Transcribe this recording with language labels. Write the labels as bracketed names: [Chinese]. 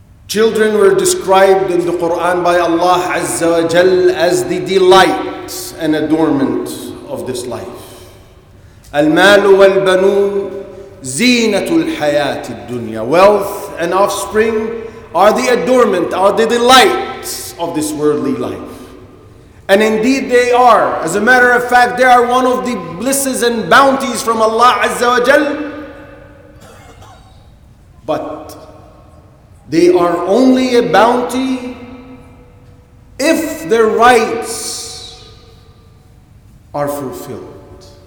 [English] Children were described in the Quran by Allah Azza wa Jal as the delight and adornment of this life. [Arabic] المال والبنون زينة الحياة الدنيا. [English] Wealth and offspring are the adornment, are the delights of this worldly life. And indeed they are. As a matter of fact, they are one of the blisses and bounties from Allah Azza wa Jal. But they are only a bounty if their rights are fulfilled.